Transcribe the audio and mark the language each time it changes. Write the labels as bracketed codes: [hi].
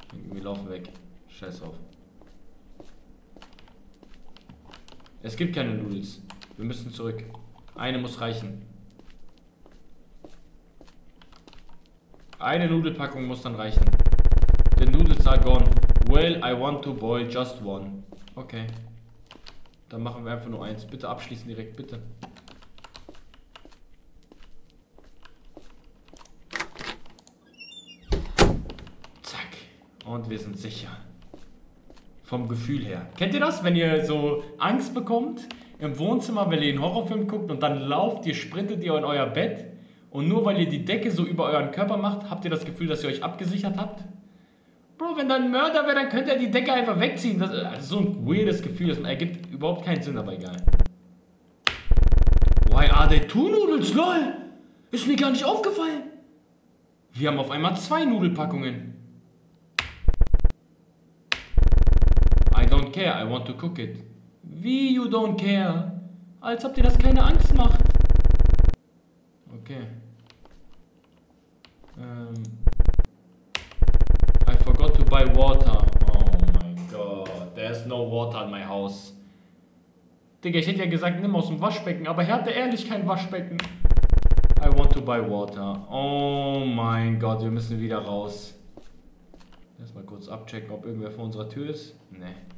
[de] Wir laufen weg. Scheiß auf. Es gibt keine Noodles. Wir müssen zurück. Eine muss reichen. Eine Nudelpackung muss dann reichen. [en] The noodles are gone. Well, I want to boil just one. Okay. [de] Dann machen wir einfach nur eins. Bitte abschließen direkt, bitte. Zack. Und wir sind sicher. Vom Gefühl her. Kennt ihr das, wenn ihr so Angst bekommt im Wohnzimmer, wenn ihr einen Horrorfilm guckt und dann lauft ihr, sprintet ihr in euer Bett und nur weil ihr die Decke so über euren Körper macht, habt ihr das Gefühl, dass ihr euch abgesichert habt? Bro, wenn da ein Mörder wäre, dann könnte er die Decke einfach wegziehen. Das ist so ein weirdes Gefühl. Das ergibt überhaupt keinen Sinn, aber egal. [en] Why are they two noodles, lol? [de] Ist mir gar nicht aufgefallen. Wir haben auf einmal zwei Nudelpackungen. [en] I don't care, I want to cook it. Wie, you don't care? [de] Als ob dir das keine Angst macht. Okay. [en] I forgot to buy water. Oh my god, there's no water in my house. [de] Digga, ich hätte ja gesagt, nimm aus dem Waschbecken, aber er hatte ehrlich kein Waschbecken. [en] I want to buy water. [de] Oh mein Gott, wir müssen wieder raus. Erstmal kurz abchecken, ob irgendwer vor unserer Tür ist. Nee.